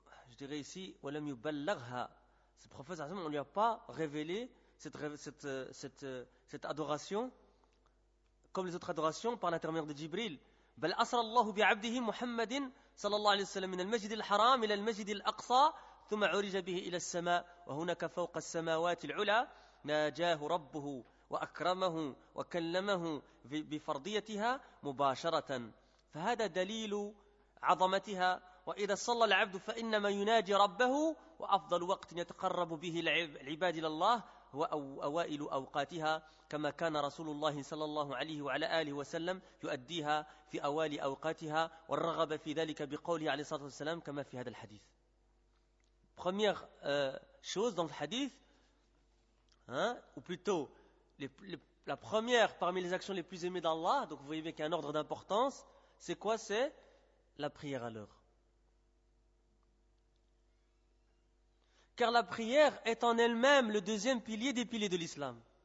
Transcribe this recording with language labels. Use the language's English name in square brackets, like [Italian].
[French] Je dirais ici, [Arabic] ولم يبلغها. [French] Ce prophète, on ne lui a pas révélé cette adoration comme les autres adorations par l'intermédiaire de Jibril. [Arabic] بل أسر الله بعبده محمد صلى الله عليه وسلم من المسجد الحرام إلى المسجد الأقصى ثم عرج به إلى السماء وهناك فوق السماوات العلى ناجاه ربه وأكرمه وكلمه بفرضيتها مباشرة فهذا دليل عظمتها وإذا صلى العبد فإنما يناجي ربه وأفضل وقت يتقرب به العباد إلى الله هو أوائل أوقاتها كما كان رسول الله صلى الله عليه وعلى آله وسلم يؤديها في أوائل أوقاتها والرغب في ذلك بقوله عليه الصلاة والسلام كما في هذا الحديث. [French] Première chose dans le hadith, hein, ou plutôt la première parmi les actions les plus aimées d'Allah, donc vous voyez bien qu'il y a un ordre d'importance, c'est quoi? C'est la prière à l'heure. Car la prière est en elle-même le deuxième pilier des piliers de l'islam.